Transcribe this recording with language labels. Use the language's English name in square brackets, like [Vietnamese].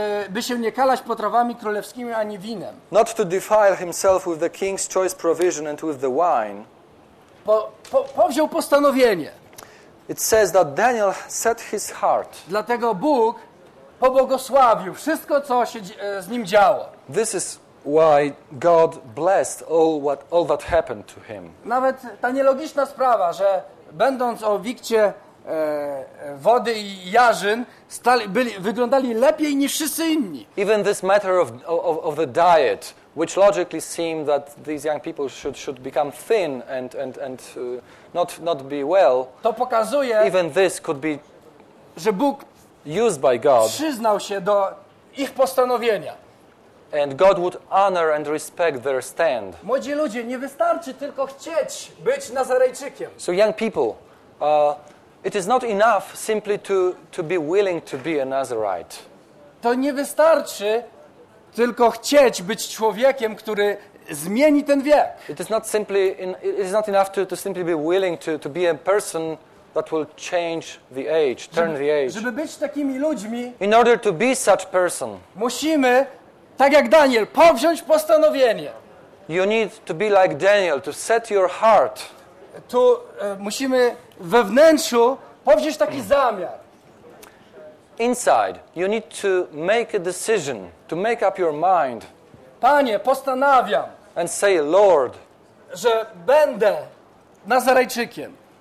[Polish] by się nie kalać potrawami królewskimi ani winem. [English] Not to defile himself with the king's choice provision and with the wine. [Polish] Powziął postanowienie. [English] It says that Daniel set his heart. [Polish] Dlatego Bóg pobłogosławił wszystko, co się z nim działo. [English] This is why God blessed all that happened to him. [Polish] Nawet ta nielogiczna sprawa, że będąc o wikcie wody i jarzyn, wyglądali lepiej niż wszyscy inni. [English] Even this matter of the diet, which logically seemed that these young people should become thin and not be well. [Polish] To pokazuje, [English] even this could be, [Polish] że Bóg [English] used by God. [Polish] Przyznał się do ich postanowienia. [English] And God would honor and respect their stand. [Polish] Młodzi ludzie, nie wystarczy tylko chcieć być Nazarejczykiem. [English] So young people, it is not enough simply to be willing to be a Nazarite. [Polish] To nie wystarczy tylko chcieć być człowiekiem, który zmieni ten wiek. [English] It is not enough to simply be willing to be a person that will change the age, turn the age. [Polish] Żeby być takimi ludźmi, [English] in order to be such person, [Polish] musimy, tak jak Daniel, powziąć postanowienie. [English] You need to be like Daniel, to set your heart. [Polish] Tu musimy we wnętrzu powziąć taki zamiar. [English] Inside, you need to make a decision, to make up your mind. [Polish] Panie, postanawiam. [English] And say, Lord, [Polish] że będę Nazarejczykiem.